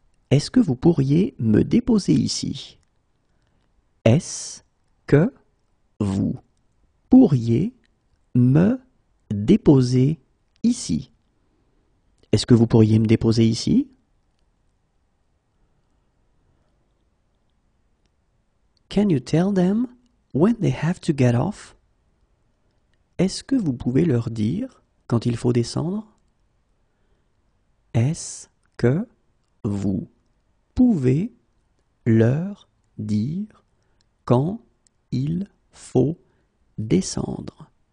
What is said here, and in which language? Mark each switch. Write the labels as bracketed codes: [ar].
[fr] Est-ce que vous pourriez me déposer ici? Est-ce que vous pourriez me déposer ici? Est-ce que vous pourriez me déposer ici? [en] Can you tell them when they have to get off? [fr] Est-ce que vous pouvez leur dire quand il faut descendre? Est-ce que vous pouvez leur dire quand il faut descendre?